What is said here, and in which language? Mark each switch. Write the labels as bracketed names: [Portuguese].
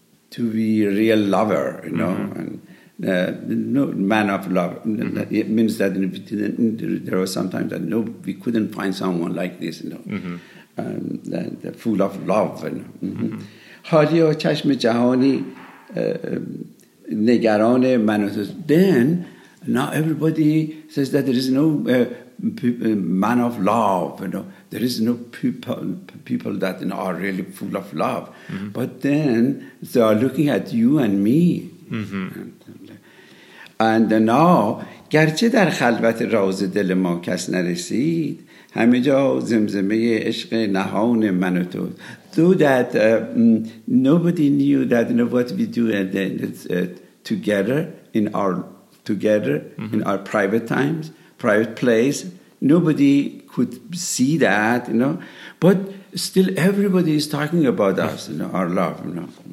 [English] To be a real lover, you know, mm-hmm. and no man of love. Mm-hmm. It means that there was sometimes that no, we couldn't find someone like this, you know, mm-hmm. and full of love. You know. [Persian] حالیا چشم جهانی نگران من و توست. [English] Then now everybody says that there is no man of love, you know, there is no people that you know, are really full of love. Mm-hmm. But then they are looking at you and me. Mm-hmm. And now, [Persian] گرچه در خلوت راز دل ما کس نرسید، همه جا زمزمه عشق نهان من و تو. [English] Though that nobody knew that you know, what we do and then together in our private times, private place, nobody could see that, you know. But still everybody is talking about us, you know, our love, you know.